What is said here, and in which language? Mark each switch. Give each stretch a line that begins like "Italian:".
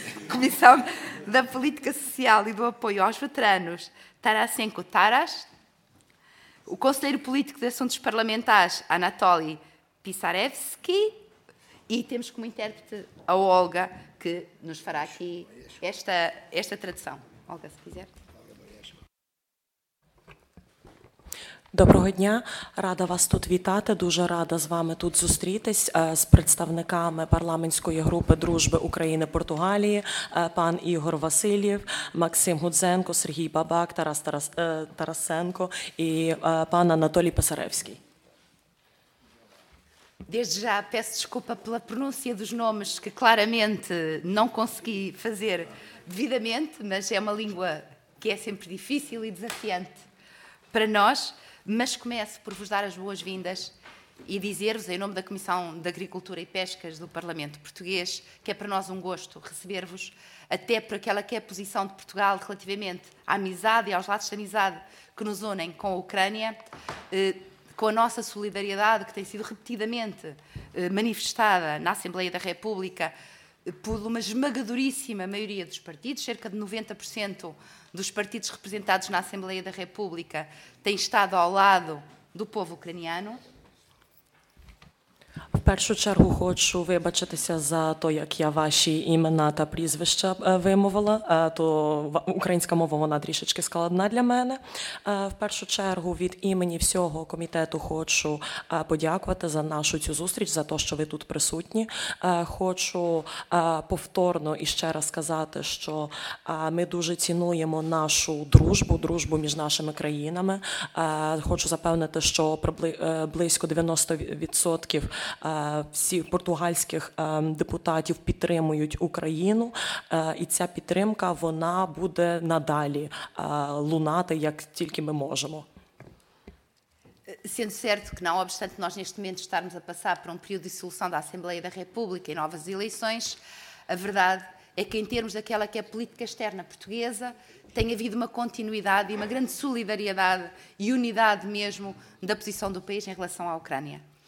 Portuguese: Comissão da Política Social e do Apoio aos Veteranos, Tarasenko Taras, o Conselheiro Político de Assuntos Parlamentares, Anatoly Pisarevski, e temos como intérprete a Olga, que nos fará aqui esta tradução. Olga, se quiser.
Ukrainian: Доброго дня, рада вас тут вітати, дуже рада з вами тут зустрітись з представниками парламентської групи дружби України-Португалії, пан Ігор Васильєв, Максим Гудзенко, Сергій Бабак, Тарасенко і пан Анатолій Писаревський.
Portuguese: Desde já peço desculpa pela pronúncia dos nomes que claramente não consegui fazer devidamente, mas é uma língua que é sempre difícil e desafiante para nós. Mas começo por vos dar as boas-vindas e dizer-vos, em nome da Comissão de Agricultura e Pescas do Parlamento Português, que é para nós um gosto receber-vos, até por aquela que é a posição de Portugal relativamente à amizade e aos laços de amizade que nos unem com a Ucrânia, com a nossa solidariedade que tem sido repetidamente manifestada na Assembleia da República por uma esmagadoríssima maioria dos partidos, cerca de 90% dos partidos representados na Assembleia da República têm estado ao lado do povo ucraniano.
Ukrainian: В першу чергу хочу вибачитися за то, як я ваші імена та прізвища вимовила, то українська мова, вона трішечки складна для мене. В першу чергу від імені всього комітету хочу подякувати за нашу цю зустріч, за те, що ви тут присутні. Хочу повторно і ще раз сказати, що ми дуже цінуємо нашу дружбу, дружбу між нашими країнами. Хочу запевнити, що близько 90% всі португальських депутатів підтримують Україну, і ця підтримка, вона буде надалі лунати, як тільки ми можемо.
Portuguese: Sendo certo que, não obstante nós neste momento estarmos a passar por período de dissolução da Assembleia da República e novas eleições, a verdade é que, em termos daquela que é a política externa portuguesa, tem havido uma continuidade e uma grande solidariedade e unidade mesmo da posição do país em relação à Ucrânia.